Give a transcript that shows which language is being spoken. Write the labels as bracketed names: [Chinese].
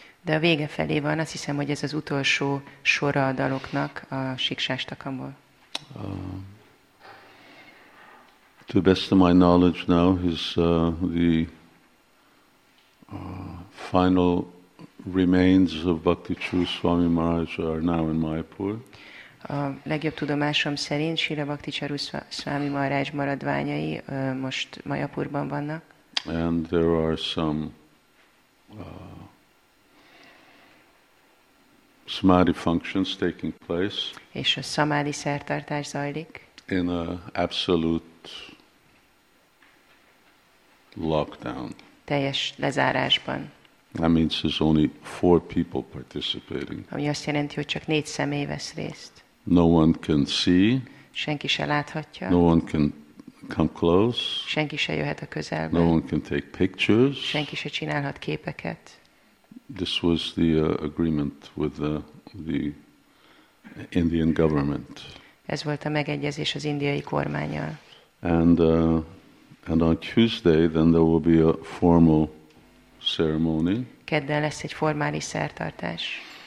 [Hungarian] De a vége felé van, azt hiszem, hogy ez az utolsó sora a daloknak a Shikshastakamból. [English] To the best of my knowledge now, his the final remains of Bhakti Chu Swami Maharaj are now in Mayapur. [Hungarian] A legjobb tudomásom szerint Srila Bhakti Charu Swami Maharaj maradványai most Mayapurban vannak. [English] And there are some samadhi functions taking place. [Hungarian] És a samadhi szertartás zajlik. [English] In a absolute lockdown. [Hungarian] Teljes lezárásban. [English] That means there's only 4 people participating. [Hungarian] Ami azt jelenti, hogy csak 4 személy vesz részt. [English] No one can see. [Hungarian] Senki se láthatja. [English] No one can come close. [Hungarian] Senki se jöhet a közelbe. [English] No one can take pictures. [Hungarian] Senki se csinálhat képeket. [English] This was the agreement with the Indian government. [Hungarian] Ez volt a megegyezés az indiai kormánnyal. [English] And on Tuesday, then there will be a formal ceremony. [Hungarian] Kedden lesz egy formális szertartás.